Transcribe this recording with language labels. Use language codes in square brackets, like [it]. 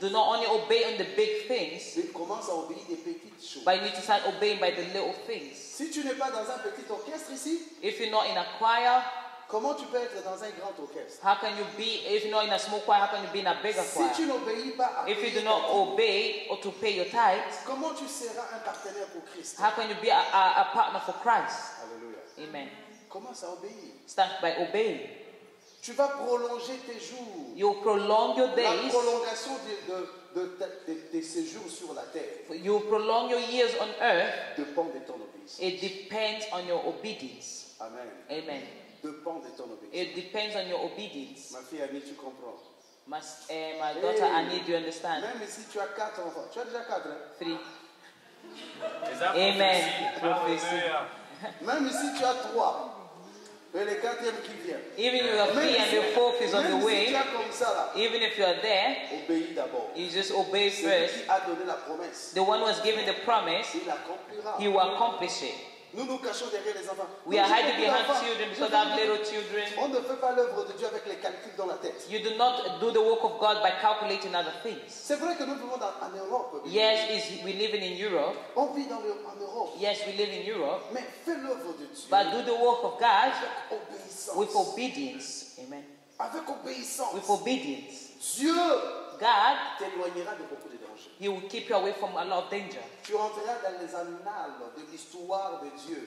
[en] Do not only obey on the big things. [fr] Mais commence à obéir des petites choses. [en] But you need to start obeying by the little things. [fr] Si tu n'es pas dans un petit orchestre ici, [en] if you're not in a choir, [fr] comment tu peux être dans un grand orchestre? [en] How can you be, if you're not in a small choir, how can you be in a bigger [fr] si [en] choir? [fr] Si tu n'obéis pas à payer, [en] if you do not obey or to pay your tithe, [fr] comment tu seras un partenaire pour Christ? [en] How can you be a partner for Christ? Hallelujah. Amen. [fr] Commence à obéir. [en] Start by obeying. [fr] Tu vas prolonger tes jours. [en] You prolong your days. [fr] La prolongation de séjours sur la terre. [en] You prolong your years on earth. [fr] Depend de ton obéissance. [en] It depends on your obedience. Amen. Amen. [fr] Depend de ton obéissance. [en] It depends on your obedience. [fr] Ma fille Annie, tu comprends? [en] My daughter Annie, do you understand? [fr] Même si tu as quatre enfants, tu as déjà quatre. Hein? [en] Three. Amen. [fr] Prophétie. Même si tu as trois. Et le quatrième qui vient. [en] Even if you have three and the fourth is on the way, even if you are there, [fr] obéis d'abord. [en] You just obey first. [fr] Celui qui a donné la promesse, [en] the one who has given the promise, [fr] il accomplira. [en] He will accomplish it. [fr] Nous nous cachons derrière les enfants. [en] We are hiding behind children because they have little children. [fr] On ne fait pas l'œuvre de Dieu avec les calculs dans la tête. [en] You do not do the work of God by calculating other things. [fr] C'est vrai que nous vivons en Europe. [en] Yes, we live in Europe. [fr] On vit en Europe. [en] Yes, we live in Europe. [fr] Mais fais l'œuvre de Dieu. [en] But do the work of God [fr] avec obéissance. [en] With obedience. Amen. [fr] Avec obéissance. [en] With obedience. [fr] Dieu. [en] God [fr] t'éloignera de beaucoup de dangers. [en] He will keep you away from a lot of danger. [fr] Tu rentreras dans les annales de l'histoire de Dieu.